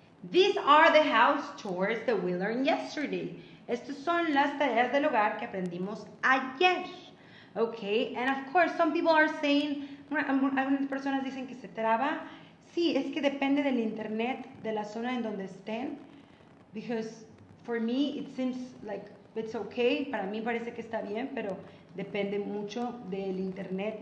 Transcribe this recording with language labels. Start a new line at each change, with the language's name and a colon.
English: These are the house chores that we learned yesterday.
Spanish: Estas son las tareas del hogar que aprendimos ayer.
English: Okay, and of course, some people are saying,
Spanish: algunas personas dicen que se traba. Sí, es que depende del internet, de la zona en donde estén.
English: Because for me, it seems like it's okay.
Spanish: Para mí parece que está bien, pero depende mucho del internet.